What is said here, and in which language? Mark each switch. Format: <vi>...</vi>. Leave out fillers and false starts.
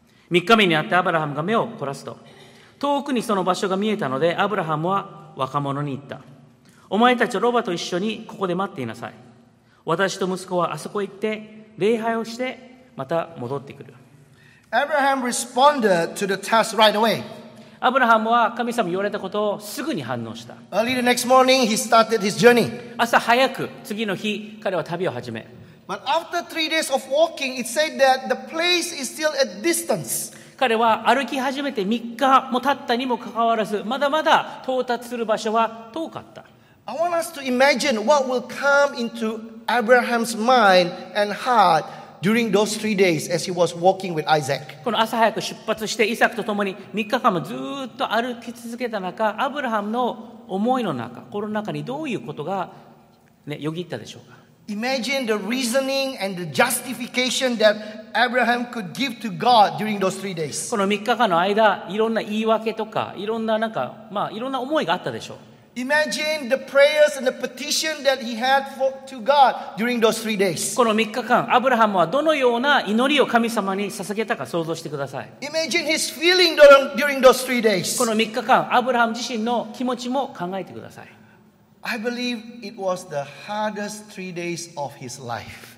<ja>3日目に会ってアブラハムが目を凝らすと、遠くにその場所が見えたので、アブラハムは若者に言った。お前たちロバと一緒にここで待っていなさい。私と息子はあそこへ行って、礼拝をして、また戻ってくる。</ja> <en>Abraham responded to the task right away.</en> <ja>アブラハムは神様に言われたことをすぐに反応した。</ja> <en>Early the next morning, he started his journey.</en> <ja>朝早く次の日彼は旅を始め。</ja> <en>But after three days of walking, it said that the place is still at distance.</en> <ja>彼は歩き始めて3日も経ったにもかかわらず、まだまだ到達する場所は遠かった。</ja> <en>I want us to imagine what will come into Abraham's mind and heart. During those three days, as he was walking with Isaac.</en> <ja>この朝早く出発してイサクと共に3日間もずっと歩き続けた中、アブラハムの思いの中、心の中にどういうことが、ね、よぎったでしょうか。</ja> <en>Imagine the reasoning and the justification that Abraham could give to God during those three days.</en> <ja>この3日間の間、いろんな言い訳とか、いろんななんか、まあ、いろんな思いがあったでしょう。</ja> <en>Imagine the prayers and the petition that he had for, to God during those three days.</en> <ja>この3日間、アブラハムはどのような祈りを神様に捧げたか想像してください。</ja> <en>Imagine his feeling during those three days.</en> <ja>この3日間、アブラハム自身の気持ちも考えてください。</ja> <en>I believe it was the hardest three days of his life.</en>